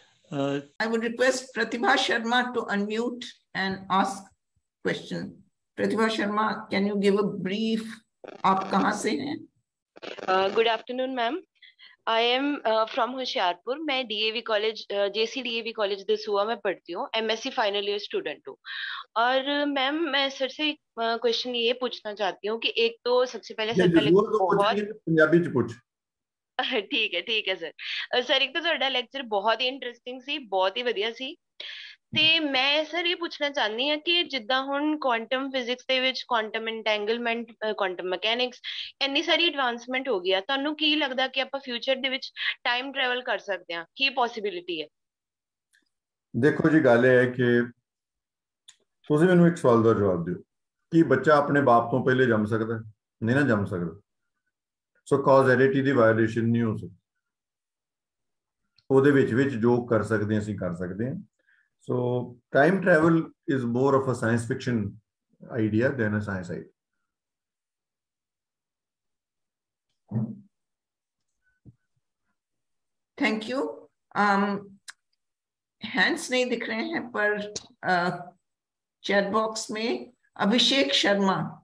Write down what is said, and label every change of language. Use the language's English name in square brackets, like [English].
[English] I would request Pratibha Sharma to unmute and ask question. Pratibha Sharma, can you give a brief? [Hindi] Aap kahan se hain? [English] Good afternoon, ma'am. I am from Hoshiarpur. [Hindi] मैं DAV college, JC DAV college Dasuya में पढ़ती हूँ. MSc final year student हूँ. और ma'am, मैं sir से एक question ये पूछना चाहती हूँ कि एक तो सबसे पहले सर का लेक्चर बहुत [Punjabi] पंजाबी च पूछ. [Hindi] ठीक है सर. [Punjabi] सर एक तो तुहाडा लेक्चर बहुत ही इंटरेस्टिंग सी, बहुत ही वधिया सी. ਤੇ ਮੈਂ ਸਰ ਇਹ ਪੁੱਛਣਾ ਚਾਹੁੰਦੀ ਹਾਂ ਕਿ ਜਿੱਦਾਂ ਹੁਣ ਕੁਆਂਟਮ ਫਿਜ਼ਿਕਸ ਦੇ ਵਿੱਚ ਕੁਆਂਟਮ ਇੰਟੈਂਗਲਮੈਂਟ, ਕੁਆਂਟਮ ਮਕੈਨਿਕਸ, ਇੰਨੀ ਸਾਰੀ ਐਡਵਾਂਸਮੈਂਟ ਹੋ ਗਈ ਆ, ਤੁਹਾਨੂੰ ਕੀ ਲੱਗਦਾ ਕਿ ਆਪਾਂ ਫਿਊਚਰ ਦੇ ਵਿੱਚ ਟਾਈਮ ਟਰੈਵਲ ਕਰ ਸਕਦੇ ਹਾਂ? ਕੀ ਪੋਸੀਬਿਲਿਟੀ ਹੈ? ਦੇਖੋ ਜੀ, ਗੱਲ ਇਹ ਹੈ ਕਿ ਤੁਸੀਂ ਮੈਨੂੰ ਇੱਕ ਸਵਾਲ ਦਾ ਜਵਾਬ ਦਿਓ ਕਿ ਬੱਚਾ ਆਪਣੇ ਬਾਪ ਤੋਂ ਪਹਿਲੇ ਜੰਮ ਸਕਦਾ? ਨਹੀਂ ਨਾ ਜੰਮ ਸਕਦਾ. ਸੋ ਕੌਜ਼ੈਲਿਟੀ ਦੀ ਵਾਇਓਲੇਸ਼ਨ ਨਹੀਂ ਹੋ ਸਕਦੀ. ਉਹਦੇ ਵਿੱਚ ਜੋ ਕਰ ਸਕਦੇ ਹਾਂ ਅਸੀਂ ਕਰ ਸਕਦੇ ਹਾਂ. [English] So time travel is more of a science fiction idea than a science idea. Thank you. [Hindi] Hands nahi dikh rahe hain, par chat box mein Abhishek Sharma.